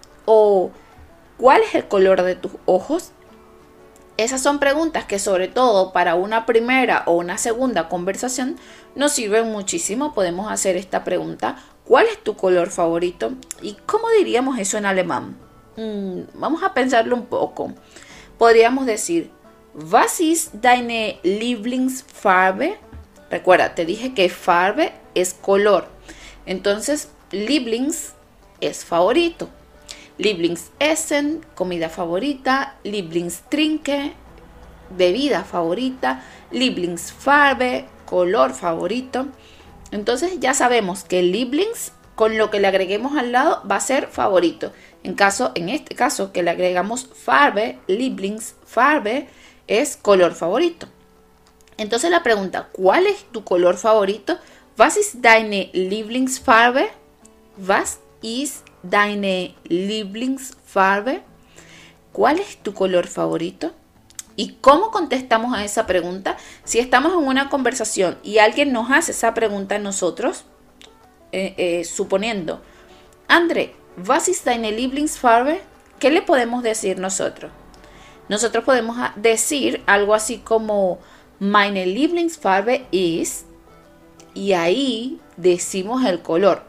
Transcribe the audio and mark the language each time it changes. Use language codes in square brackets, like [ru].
[es] O ¿cuál es el color de tus ojos? Esas son preguntas que sobre todo para una primera o una segunda conversación nos sirven muchísimo. Podemos hacer esta pregunta ¿cuál es tu color favorito? ¿Y cómo diríamos eso en alemán? Vamos a pensarlo un poco. Podríamos decir [de] Was ist deine Lieblingsfarbe? [es] Recuerda, te dije que Farbe es color. Entonces, Lieblings es favorito. Lieblingsessen, comida favorita. Lieblingstrinke, bebida favorita. Lieblingsfarbe, color favorito. Entonces, ya sabemos que Lieblings, con lo que le agreguemos al lado, va a ser favorito. En este caso, que le agregamos Farbe, Lieblingsfarbe, es color favorito. Entonces la pregunta, ¿cuál es tu color favorito? [de] Was ist deine Lieblingsfarbe? Was ist deine Lieblingsfarbe? [es] ¿Cuál es tu color favorito? ¿Y cómo contestamos a esa pregunta? Si estamos en una conversación y alguien nos hace esa pregunta a nosotros, suponiendo, André, [de] ¿was ist deine Lieblingsfarbe? [es] ¿Qué le podemos decir nosotros? Nosotros podemos decir algo así como [de] Meine Lieblingsfarbe ist, [es] y ahí decimos el color.